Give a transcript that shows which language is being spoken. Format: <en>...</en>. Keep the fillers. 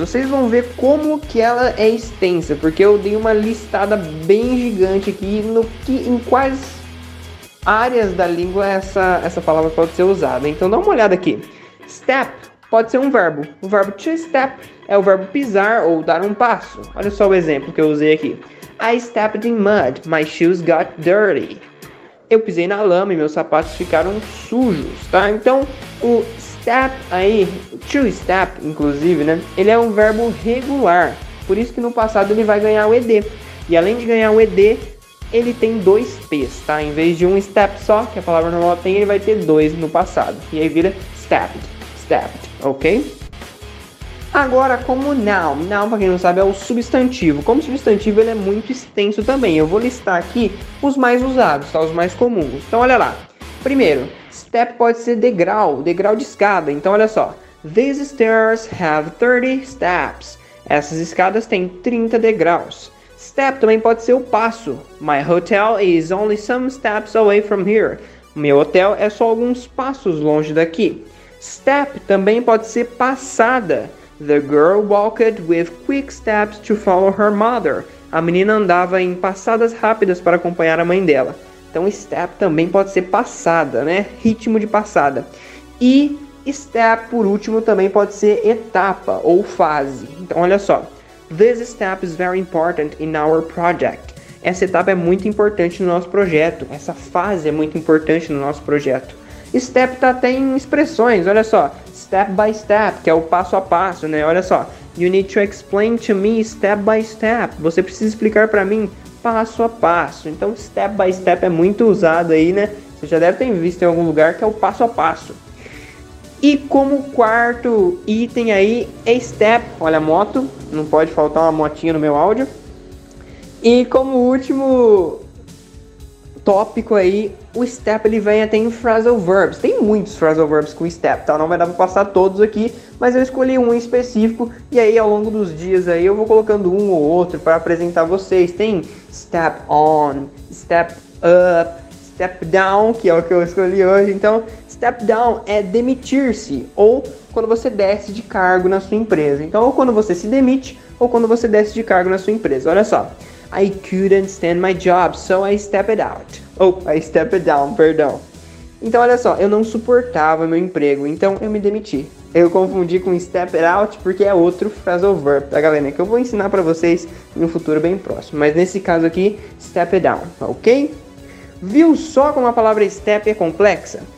<pt>Vocês vão ver como que ela é extensa, porque eu dei uma listada bem gigante aqui no que, em quais áreas da língua essa, essa palavra pode ser usada. Então dá uma olhada aqui. Step pode ser um verbo. O verbo to step é o verbo pisar ou dar um passo. Olha só o exemplo que eu usei aqui.</pt> <en>I stepped in mud, my shoes got dirty.</en> <pt>Eu pisei na lama e meus sapatos ficaram sujos, tá? Então, o step aí, o to step, inclusive, né? Ele é um verbo regular. Por isso que no passado ele vai ganhar o ed. E além de ganhar o ed, ele tem dois p's, tá? Em vez de um step só, que a palavra normal tem, ele vai ter dois no passado. E aí vira stepped, stepped, ok? Agora, como noun, noun para quem não sabe é o substantivo. Como substantivo, ele é muito extenso também. Eu vou listar aqui os mais usados, tá? Os mais comuns. Então, olha lá. Primeiro, step pode ser degrau, degrau de escada. Então, olha só.</pt> <en>These stairs have 30 steps.</en> <pt>Essas escadas têm 30 degraus. Step também pode ser o passo.</pt> <en>My hotel is only some steps away from here.</en> <pt>Meu hotel é só alguns passos longe daqui. Step também pode ser passada.</pt> <en>The girl walked with quick steps to follow her mother.</en> <pt>A menina andava em passadas rápidas para acompanhar a mãe dela. Então, step também pode ser passada, né? Ritmo de passada. E step, por último, também pode ser etapa ou fase. Então, olha só.</pt> <en>This step is very important in our project.</en> <pt>Essa etapa é muito importante no nosso projeto. Essa fase é muito importante no nosso projeto. Step tá até em expressões, olha só step by step, que é o passo a passo, né? Olha só.</pt> <en>You need to explain to me step by step.</en> <pt>Você precisa explicar para mim passo a passo. Então, step by step é muito usado aí, né? Você já deve ter visto em algum lugar que é o passo a passo. E como quarto item aí é step. Olha a moto, não pode faltar uma motinha no meu áudio. E como último tópico aí, o step ele vem até em phrasal verbs. Tem muitos phrasal verbs com step, tá? Não vai dar para passar todos aqui, mas eu escolhi um específico e aí ao longo dos dias aí eu vou colocando um ou outro para apresentar vocês. Tem step on, step up, step down, que é o que eu escolhi hoje. Então, step down é demitir-se ou quando você desce de cargo na sua empresa. Então, ou quando você se demite ou quando você desce de cargo na sua empresa. Olha só.</pt> <en>I couldn't stand my job, so I stepped out. Oh, I stepped down,</en> <pt>perdão. Então, olha só, eu não suportava meu emprego, então eu me demiti. Eu confundi com step out porque é outro phrasal verb, tá galera? Que eu vou ensinar para vocês no futuro bem próximo. Mas nesse caso aqui, step down, ok? Viu só como a palavra step é complexa?</pt>